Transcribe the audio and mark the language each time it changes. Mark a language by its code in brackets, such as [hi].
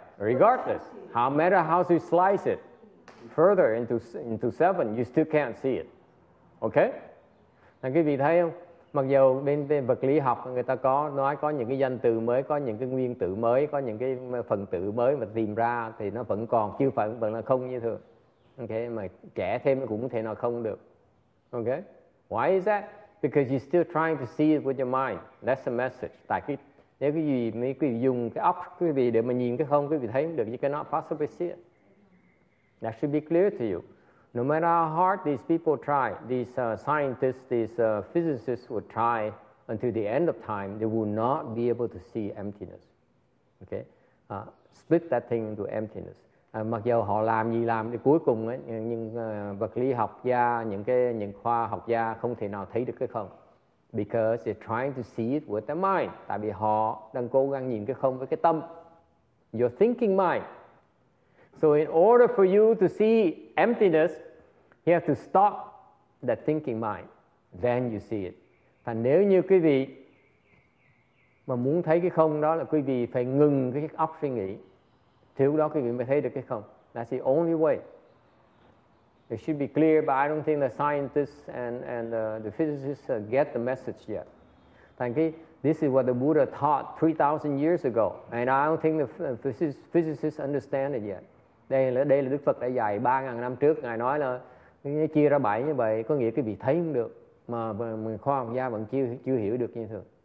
[en] Regardless, how matter how you slice it further into seven, you still can't see it. OK? [vi] Là quý vị thấy không? Mặc dù bên vật lý học người ta có nói có những cái danh từ mới, có những cái nguyên tử mới, có những cái phần tử mới mà tìm ra thì nó vẫn còn chưa phải vẫn là không như thường. OK? Mà kể thêm cũng thể nào không được. [en] OK? Why is that? Because you're still trying to see it with your mind. That's the message. [vi] Tại cái nếu quý vị mới dùng cái óc quý vị để mà nhìn cái không, quý vị thấy được chứ [en] cannot possibly see it. That should be clear to you. No matter how hard these people try, these scientists, these physicists will try until the end of time, they will not be able to see emptiness. Okay? Split that thing into emptiness. [vi] Mặc dù họ làm gì làm thì cuối cùng ấy, nhưng vật lý học gia, những khoa học gia không thể nào thấy được cái không. [en] Because they're trying to see it with their mind. [vi] Tại vì họ đang cố gắng nhìn cái không với cái tâm. [en] Your thinking mind. So in order for you to see emptiness, you have to stop that thinking mind. Then you see it. [vi] Và nếu như quý vị mà muốn thấy cái không đó là quý vị phải ngừng cái óc suy nghĩ. Thiếu đó quý vị mới thấy được cái không. [en] That's the only way. It should be clear, but I don't think the scientists and the physicists get the message yet. Thank you. This is what the Buddha taught 3,000 years ago, and I don't think the physicists understand it yet. [vi] Đây là Đức Phật đã dạy 3,000 năm trước. Ngài nói là chia ra 7 như vậy có nghĩa cái vị thấy không được, mà người khoa học gia vẫn chưa hiểu được như thường.